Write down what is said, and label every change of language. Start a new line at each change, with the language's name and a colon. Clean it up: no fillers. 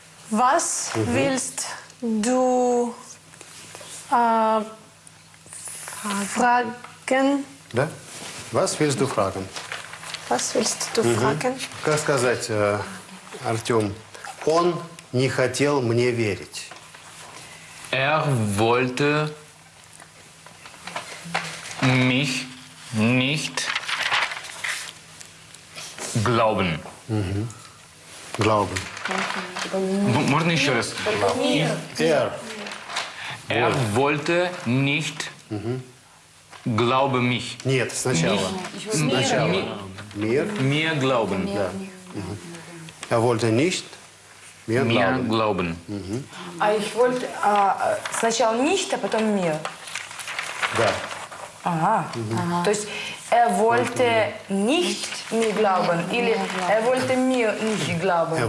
German: Was willst du fragen?
Russian: Да?
German: Was willst du fragen? Was willst du fragen?
Russian: Как сказать, Артём, он не хотел мне верить.
German: Er wollte mich nicht glauben. Glauben.
Russian: Можно еще раз?
German: Er wollte nicht glaube mich.
Russian: Нет, сначала.
German: Mir glauben.
Russian: Да.
German: Er wollte nicht mir glauben. Mir glauben.
Russian: А
German: ich wollte
Russian: сначала
German: nicht,
Russian: а потом
German: mir.
Russian: Да. Ага. То есть
German: er wollte nicht mir glauben.
Russian: Или
German: er wollte mir nicht glauben.